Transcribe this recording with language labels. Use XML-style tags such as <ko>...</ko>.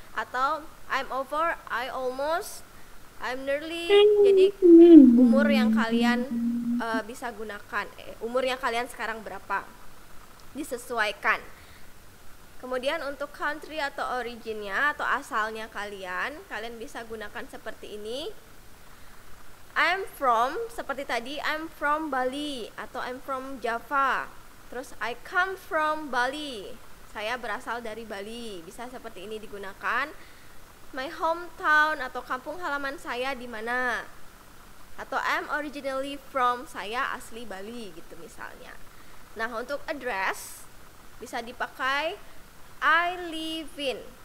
<id>Atau</id> <en>I'm nearly.</en> <id>Jadi umur yang kalian bisa gunakan, umur yang kalian sekarang berapa, disesuaikan. Kemudian untuk country atau originnya atau asalnya kalian bisa gunakan seperti ini.</id> <en>I'm from,</en> <id>seperti tadi,</id> <en>I'm from Bali</en> <id>atau</id> <en>I'm from Java.</en> <id>Terus</id> <en>I come from Bali,</en> <id>saya berasal dari Bali, bisa seperti ini digunakan.</id> <en>My hometown</en> <id>atau kampung halaman saya di mana? Atau</id> <en>I'm originally from,</en> <id>saya asli Bali, gitu misalnya. Nah, untuk address bisa dipakai</id> <en>I live in.</en>